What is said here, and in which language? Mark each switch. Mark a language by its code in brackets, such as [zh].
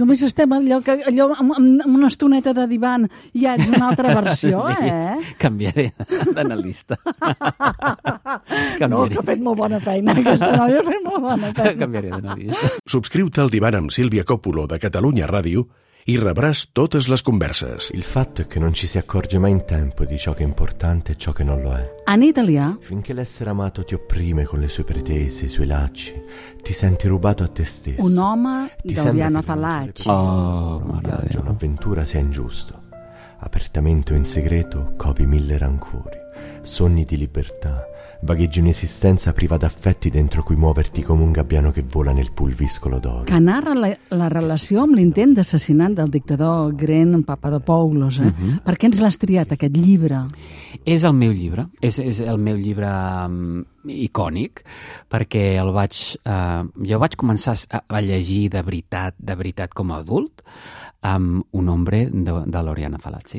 [ca] Només estem allò amb una estoneta de divan i ja ets una altra versió, eh? Canviaré d'analista. No, que ha fet molt bona feina, aquesta noia ha fet molt bona feina. Canviaré d'analista. Subscriu-te al Divan amb Silvia Coppolo de Catalunya Ràdio i rebràs totes les converses. [it] Il fatto è che non ci si accorge mai in tempo di ciò che è importante e ciò che non lo è. In Italia. Finché l'essere amato ti opprime con le sue pretese, i suoi lacci, ti senti rubato a te stesso. Un uomo dovrebbe annotarci. Un viaggio, un'avventura sia ingiusto. Apertamente o in segreto, covi mille rancori, sogni di libertà, vagheggi un'esistenza priva d'affetti dentro cui muoverti come un gabbiano che vola nel pulviscolo d'oro. Che narra [ca] la relació amb l'intent d'assassinat del dictador gran Papadopoulos, eh? Uh-huh. Per què ens l'has triat, aquest llibre? És el meu llibre, és el meu llibre icònic, perquè el vaig... jo vaig començar a llegir de veritat com a adult amb Un hombre de l'Oriana Falazzi.